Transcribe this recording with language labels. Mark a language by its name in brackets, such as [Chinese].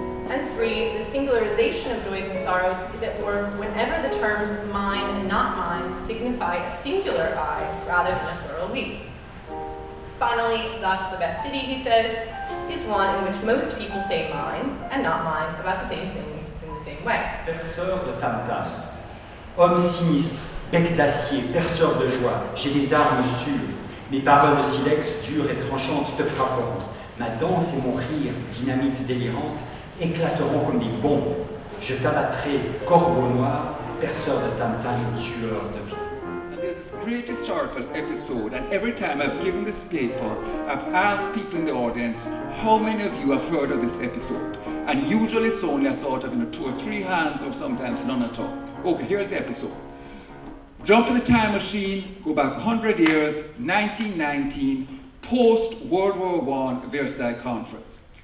[English] And 3, the singularization of joys and sorrows is at work whenever the terms mine and not mine signify a singular I rather than a plural we. Finally, thus the best city, he says, is one in which most people say mine and not mine about the same things in the same way. [French] Perceur de tam-tam, homme sinistre, bec d'acier, perceur de joie, j'ai des armes sûres, mes paroles de silex dures et tranchantes te frapperont, ma danse et mon rire, dynamite délirante, éclateront comme des bombes. Je t'abattrai, corbeau noir, perceur de tam-tam, tueur de vie. [English] And there's this great historical episode, and every time I've given this paper, I've asked people in the audience, how many of you have heard of this episode? And usually it's only a sort of, you know, 2 or 3 hands, or sometimes none at all. Okay, here's the episode. Jump in the time machine, go back 100 years, 1919, post-World War I Versailles Conference.